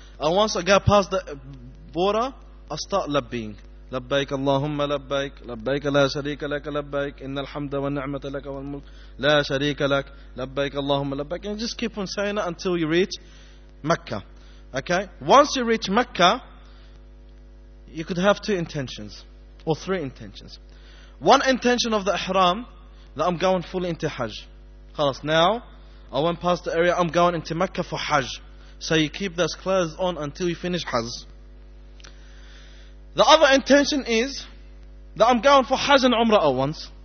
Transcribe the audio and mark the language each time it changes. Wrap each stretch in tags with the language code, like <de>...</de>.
<en>And once I got past the border, I start labbing.</en> <ar>لبيك اللهم لبيك لبيك لا شريك لك لبيك إن الحمد والنعمة لك والملك لا شريك لك لبيك اللهم لبيك</ar> <en>and just keep on saying it until you reach Mecca. Okay, once you reach Mecca, you could have two intentions or three intentions. One intention of the ihram, that I'm going fully into Hajj. خلاص, now I went past the area, I'm going into Mecca for Hajj. So you keep those clothes on until you finish Hajj. The other intention is that I'm going for Hajj and Umrah at once.</en>